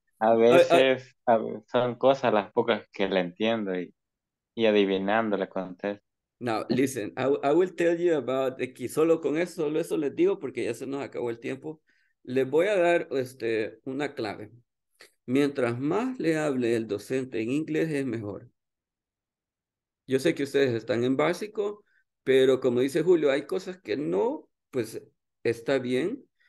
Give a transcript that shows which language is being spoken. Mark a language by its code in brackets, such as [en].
[es] A veces, son cosas las pocas que le entiendo y adivinando le contesto. [en] Now, listen, I will tell you about the key. [es] Solo eso les digo porque ya se nos acabó el tiempo. Les voy a dar una clave. Mientras más le hable el docente en inglés, es mejor. Yo sé que ustedes están en básico, pero como dice Julio, hay cosas que no, pues está bien.